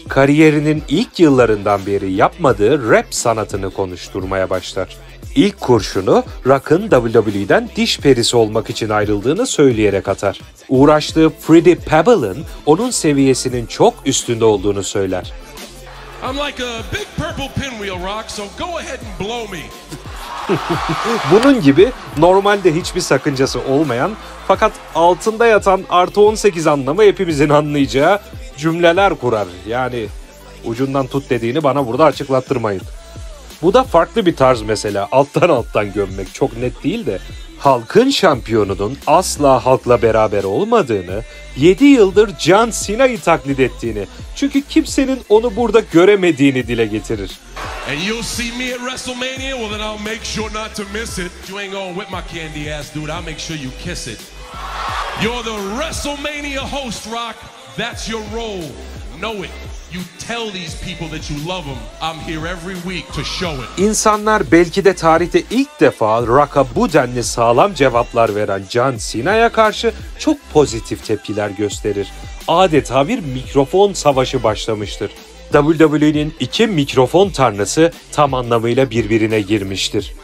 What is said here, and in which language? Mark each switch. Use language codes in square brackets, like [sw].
[tr] Kariyerinin ilk yıllarından beri yapmadığı rap sanatını konuşturmaya başlar. İlk kurşunu Rock'ın WWE'den diş perisi olmak için ayrıldığını söyleyerek atar. Uğraştığı Fruity Pebbles'ın onun seviyesinin çok üstünde olduğunu söyler. [en] I'm like a big purple pinwheel, Rock, so go ahead and blow me. [tr] Bunun gibi normalde hiçbir sakıncası olmayan fakat altında yatan artı 18 anlamı hepimizin anlayacağı cümleler kurar. Yani ucundan tut dediğini bana burada açıklattırmayın. Bu da farklı bir tarz mesela. Alttan alttan gömmek çok net değil de halkın şampiyonunun asla halkla beraber olmadığını, 7 yıldır John Cena'yı taklit ettiğini, çünkü kimsenin onu burada göremediğini dile getirir. [en] And you'll see me at WrestleMania, well then I'll make sure not to miss it. You ain't gonna whip my candy ass, dude. I'll make sure you kiss it. You're the WrestleMania host, Rock. That's your role. Know it. You tell these people that you love them. I'm here every week to show it. [tr] İnsanlar belki de tarihte ilk defa Rock'a bu denli sağlam cevaplar veren John Cena'ya karşı çok pozitif tepkiler gösterir. Adeta bir mikrofon savaşı başlamıştır. WWE'nin iki mikrofon tanrısı tam anlamıyla birbirine girmiştir.